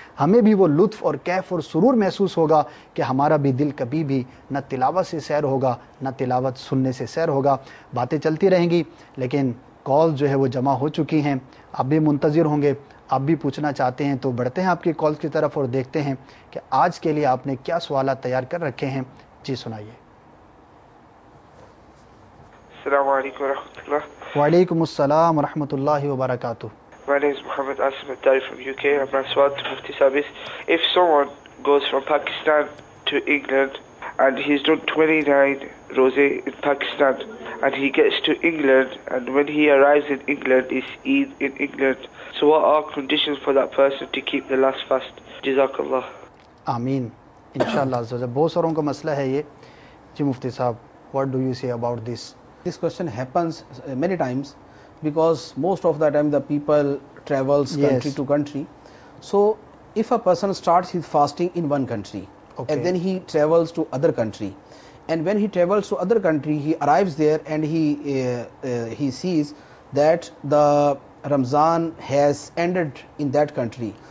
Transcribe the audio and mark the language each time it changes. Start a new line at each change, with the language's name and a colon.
Urdu: ہمیں بھی وہ لطف اور کیف اور سرور محسوس ہوگا کہ ہمارا بھی دل کبھی بھی نہ تلاوت سے سیر ہوگا نہ تلاوت سننے سے سیر ہوگا۔ باتیں چلتی رہیں گی لیکن کال جو ہے وہ جمع ہو چکی ہیں، آپ بھی منتظر ہوں گے، آپ بھی پوچھنا چاہتے ہیں، تو بڑھتے ہیں آپ کی کال کی طرف اور دیکھتے ہیں کہ آج کے لیے آپ نے کیا سوالات تیار کر رکھے ہیں۔ جی سنائیے۔ السلام علیکم ورحمۃ اللہ۔ وعلیکم السلام ورحمۃ اللہ وبرکاتہ۔
English: My name is Muhammad Asim Attari from UK. My question to Mufti Sahib is, if someone goes from Pakistan to England and he's done 29 roze in Pakistan and he gets to England and when he arrives in England is Eid in England, so what are conditions for that person to keep the last fast? Jazakallah. Amin. Inshallah.
Urdu: بہت ساروں کا مسئلہ ہے یہ۔ جی مفتی صاحب،
English: what do you say about this? This question happens many times because most of the time the people travels country to country. So if a person starts his fasting in one country and then he travels to other country, and when he travels to other country he arrives there and he sees that the Ramzan has ended in that country.